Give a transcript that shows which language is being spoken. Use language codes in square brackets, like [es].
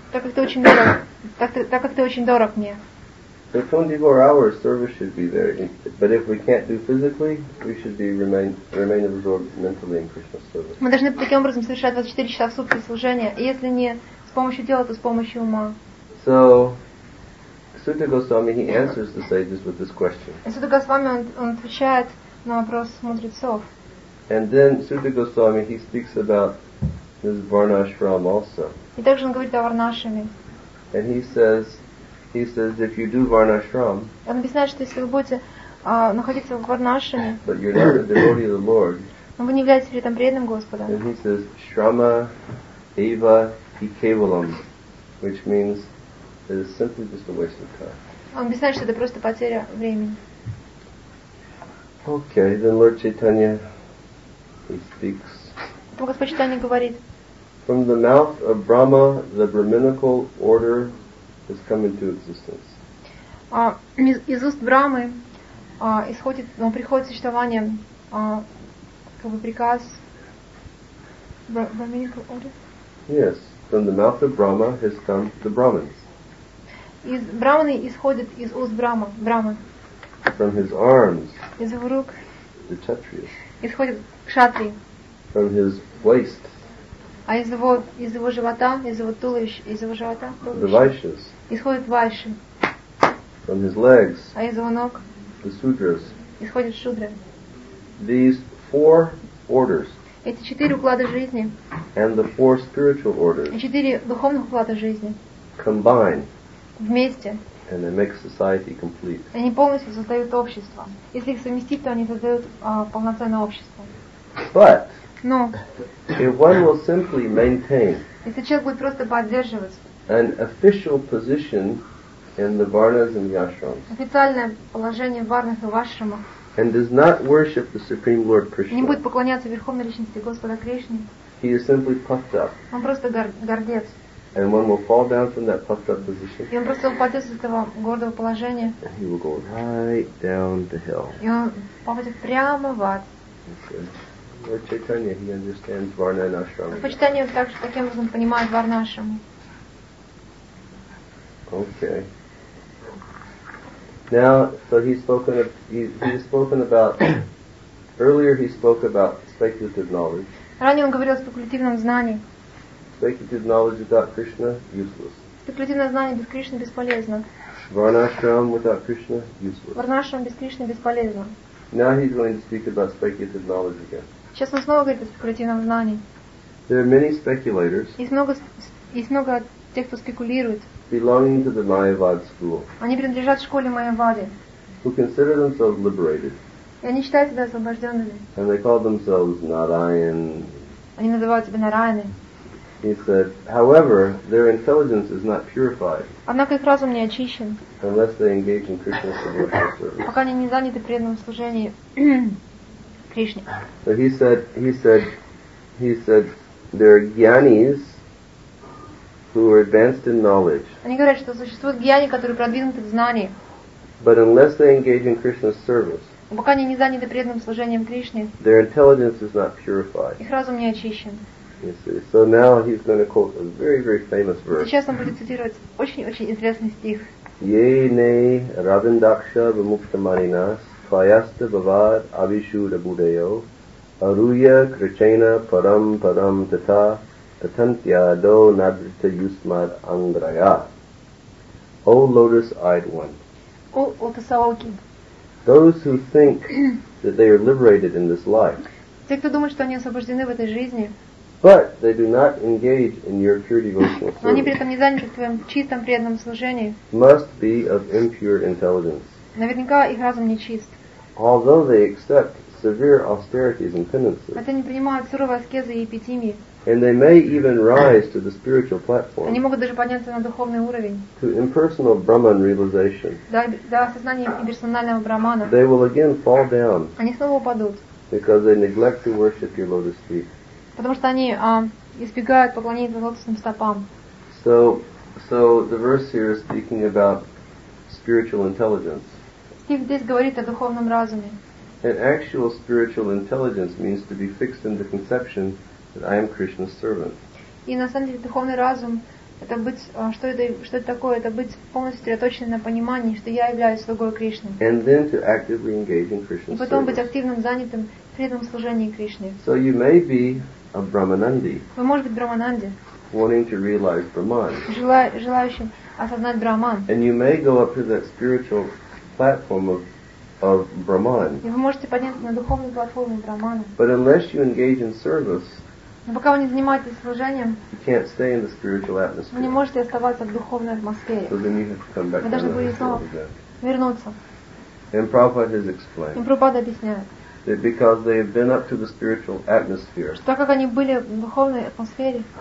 [ru] Так как ты очень дорог мне. [en] So 24 hours service should be there, but if we can't do physically, we should be remain absorbed mentally in Krishna's service. [ru] Мы должны таким образом совершать 24 часа в сутки служения, если не с помощью тела, то с помощью ума. [en] So Sutta Goswami, he answers the sages with this question. [ru] Sutta Goswami, он отвечает на вопрос мудрецов. [en] And then Sutta Goswami, he speaks about this Varnashram also. [ru] И также он говорит о Варнашраме. [en] And he says, if you do Varnashram. [ru] Он объясняет, что если вы будете находиться в Варнашраме. [en] But you're not a devotee of the Lord. [ru] Но вы не являетесь при этом преданным Господа. [en] And he says, [sa] Shrama Eva Ikevalam, [en] which means it is simply just a waste of time. [ru] Он объясняет, что это просто потеря времени. [en] Okay, then Lord Chaitanya. He speaks. [ru] Там Господь Читания говорит. [en] From the mouth of Brahma, the Brahminical order has come into existence. [ru] Из уст Брамы исходит, ну, приходит существование, как бы приказ. [en] Brahminical order. Yes, from the mouth of Brahma has come the Brahmins. [ru] Из Брамы исходит из уст Брама, Брамы. [en] From his arms. [ru] Из его рук. [en] The Kshatriyas. [ru] Исходит Кшатри. [en] From his waist. [ru] А из его живота, из его туловища, из его живота. [en] The Vaishyas. [ru] Исходит Вайши. [en] From his legs. [ru] А из его ног. [en] The Sudras. [ru] Исходит Шудры. [en] These four orders. [ru] Эти четыре уклада жизни. [en] And the four spiritual orders. [ru] И четыре духовных уклада жизни. [en] Combine. [ru] Вместе. [en] And they make society complete. [ru] Они полностью создают общество. Если их совместить, то они создают полноценное общество. [en] But no. If one will simply maintain [ru] если человек будет просто поддерживать [en] an official position in the varnas and the ashrams, [ru] официальное положение в варнах и в ашрамах, [en] and does not worship the Supreme Lord Krishna, [ru] не будет поклоняться Верховной Личности Господа Кришне, [en] he is simply puffed up. [ru] Он просто гордец. [en] And one will fall down from that puffed up position. [ru] И он просто упадет с этого гордого положения. [en] He will go right down the hill. [ru] И он попадет прямо в ад. [en] Lord Chaitanya, he understands Varna and Ashram. [ru] Lord Chaitanya также таким образом понимает Варна Ашраму. [en] Okay. Now, so he's spoken about earlier he spoke about speculative knowledge. [ru] Ранее он говорил о спекулятивном знании. [en] Speculative knowledge without Krishna, useless. [ru] Спекулятивное знание без Кришны бесполезно. [en] Varna Ashram without Krishna, useless. [ru] Varna Ashram без Кришны бесполезно. [en] Now he's going to speak about speculative knowledge again. [ru] Сейчас он снова говорит о спекулятивном знании. [en] There are many speculators. [ru] Есть много те, кто спекулирует. [en] Belonging to the Mayavad school. [ru] Они принадлежат школе Майявады. [en] Who consider themselves liberated. [ru] И они считают себя освобожденными. [en] And they call themselves Narayan. [ru] Они называют себя Нараяны. [en] He said, however, their intelligence is not purified. [ru] Однако их разум не очищен. [en] Unless they engage in Krishna devotional service. [ru] Пока они не заняты преданным служением Кришне. [en] So he said, there are gyanis who are advanced in knowledge. [ru] Они говорят, что существуют гьяни, которые продвинуты в знании. [en] But unless they engage in Krishna's service. [ru] Пока они не заняты преданным служением Кришне. [en] Their intelligence is not purified. [ru] Их разум не очищен. [en] So now he's going to quote a very, very famous verse. [ru] Сейчас он будет цитировать очень-очень известный стих. [sa] Yene ravindaksha vimuktamarina svayasta bhavad avishuddha buddheyo aruya krichena param param tata tatantya do nadrita yusmad angraya. [en] O lotus-eyed one. O lotus-eyed. Those who think that they are liberated in this life. [ru] Те, кто думает, что они освобождены в этой жизни. [en] But they do not engage in your pure devotional service. [ru] Они при этом не заняты в твоем чистом преданном служении. [en] Must be of impure intelligence. [ru] Наверняка их разум не чист. [en] Although they accept severe austerities and penances. [ru] Хотя они принимают суровые аскезы и эпитимии. [en] And they may even rise to the spiritual platform. [ru] Они могут даже подняться на духовный уровень. [en] To impersonal Brahman realization. [ru] До осознания имперсонального брахмана. [en] They will again fall down. [ru] Они снова упадут. [en] Because they neglect to worship your lotus feet. [ru] Потому что они избегают поклонения лотосным стопам. [en] So the verse here is speaking about spiritual intelligence. [ru] Стих здесь говорит о духовном разуме. [en] And actual spiritual intelligence means to be fixed in the conception that I am Krishna's servant. [ru] И на самом деле духовный разум это быть что это такое? Это быть полностью сосредоточенным на понимании, что я являюсь слугой Кришны. [en] And then to actively engage in Krishna's service. [ru] И потом быть активным занятым в преданном служении Кришне. [en] So you may be a Brahmanandi. [ru] Вы можете быть Брахманандой. [en] Wanting to realize Brahman. [ru] Желающим осознать Брахман. [en] And you may go up to that spiritual platform of Brahman. [ru] И вы можете подняться на духовную платформу Брахмана. [en] But unless you engage in service. [ru] Но пока вы не занимаетесь служением. [en] You can't stay in the spiritual atmosphere. [ru] Вы не можете оставаться в духовной атмосфере. [en] So then you have to come back. [ru] Вы должны будете снова вернуться. [en] And Prabhupada has explained. [ru] И Прабхупада объясняет. [en] That because they have been up to the spiritual atmosphere. [ru] Что как они были в духовной атмосфере?